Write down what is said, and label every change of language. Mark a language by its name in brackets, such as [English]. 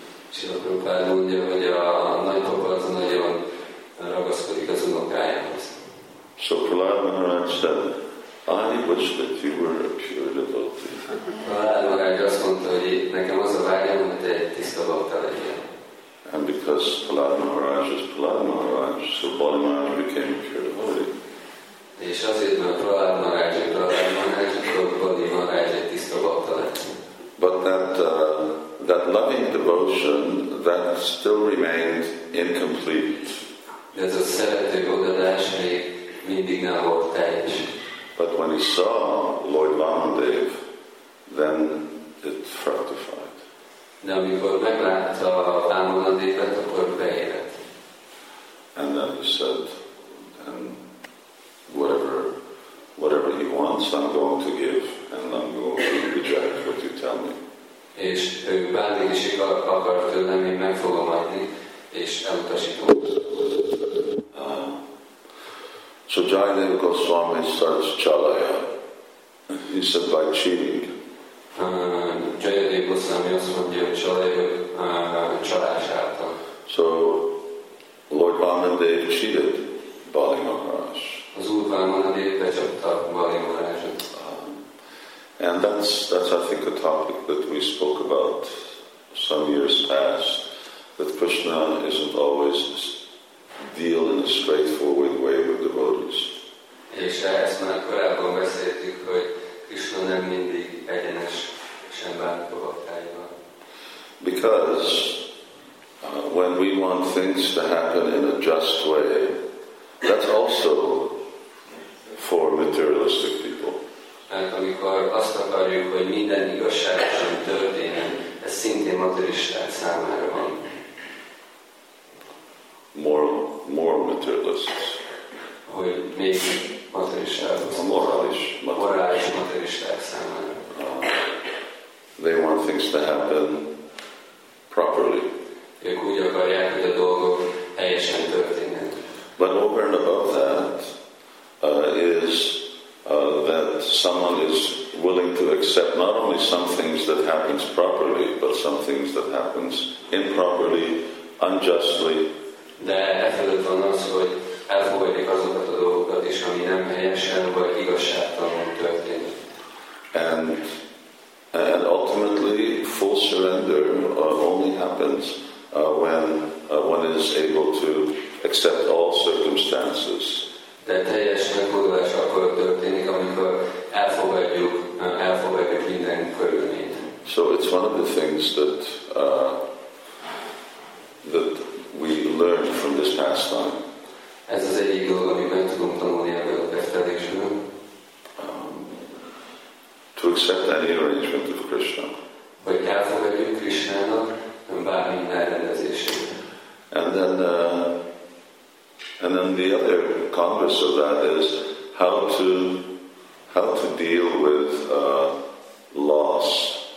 [Hungarian] Srila Prabhupada mondja, hogy a nagypapa az nagyon ragaszkodik az unokájához. [English] So Prahlad Maharaj said, I wish that you were a pure devotee. [Hungarian] Prahlad Maharaj azt mondta, hogy nekem az a vágyam, hogy te egy tiszta bakta legyél. [English] And because Prahlad Maharaj is Prahlad Maharaj, so Bali Maharaj became a pure devotee. [Hungarian] És azért, mert Prahlad Maharaj egy Prahlad Maharaj, akkor Bali Maharaj egy tiszta bakta lett. [English] But that that loving devotion that still remained incomplete. [Hungarian] De ez a szerető odaadás még mindig nem volt teljes. [English] But when he saw Lord Vamadeva, then it fructified. [Hungarian] De amikor meglátta Vamadevát, akkor beérett. [English] And then he said, and whatever he wants, I'm going to give, and I'm going to reject what you tell me. [Hungarian] És ő bármit is akar tőlem, én meg fogom adni, és elutasítom. [English] So Jayadeva Goswami starts Chalaya. He said, by cheating. [Hungarian] Jayadeva Goswami azt mondja, hogy Chalaya csalás által. [English] So Lord Vamadeva cheated Bali Maharaj. [Hungarian] Az Úr Vamadeva becsapta Bali Maharajot. [English] And that's I think a topic that we spoke about some years past, that Krishna isn't always deal in a straightforward way with devotees. [Hungarian] És ezt már korábban beszéltük, hogy Krishna nem mindig egyenes sem bánik a baktáival. [English] Because when we want things to happen in a just way, that's also for materialistic people. [Hungarian] Mert amikor azt akarjuk, hogy minden igazságosan történjen, ez szintén materisták számára van. [English] More materialists. [Hungarian] Hogy még materialisták. Morális materialisták számára. [English] They want things to happen properly. [Hungarian] Ők úgy akarják, hogy a dolgok helyesen történjenek. [English] But over and above that is that someone is willing to accept not only some things that happens properly, but some things that happens improperly, unjustly. [Hungarian] De efelőtt van az, hogy elfogadjuk azokat a dolgokat is, ami nem helyesen vagy igazságtalanul történik. [English] And ultimately, full surrender only happens when is able to accept all circumstances. [Hungarian] De teljes megfordulás akkor történik, amikor elfogadjuk minden körülményt. [English] So it's one of the things that that we learn from this pastime. [Hungarian] Ez az egyik dolog, amiben tudunk tanulni ebből a kezdetésből. [English] To accept any arrangement of Krishna. [Hungarian] Hogy elfogadjuk Krishnának bármilyen elrendezését. [English] And then the other converse of that is how to deal with loss.